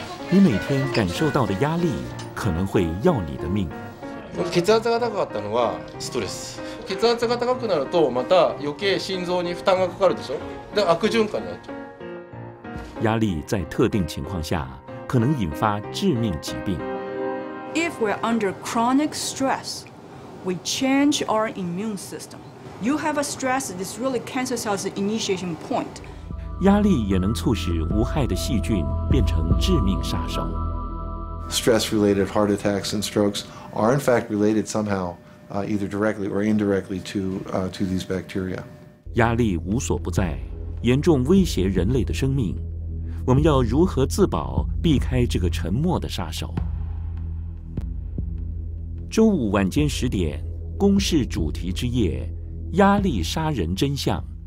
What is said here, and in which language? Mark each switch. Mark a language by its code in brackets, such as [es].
[zh] 你每天感受到的压力可能会要你的命。 [ja] 血圧が高かったのはストレス。血圧が高くなるとまた余計心臓に負担がかかるでしょ。だ悪循環になっちゃう。 [zh] 压力在特定情况下可能引发致命疾病。 [en] If we're under chronic stress, we change our immune system. You have a stress, this really cancer cells initiation point. [zh] 压力也能促使无害的细菌变成致命杀手。 [en] Stress-related heart attacks and strokes are in fact related somehow, either directly or indirectly to these bacteria. [zh] 压力无所不在，严重威胁人类的生命。我们要如何自保，避开这个沉默的杀手？周五晚间10点，公视主题之夜，压力杀人真相。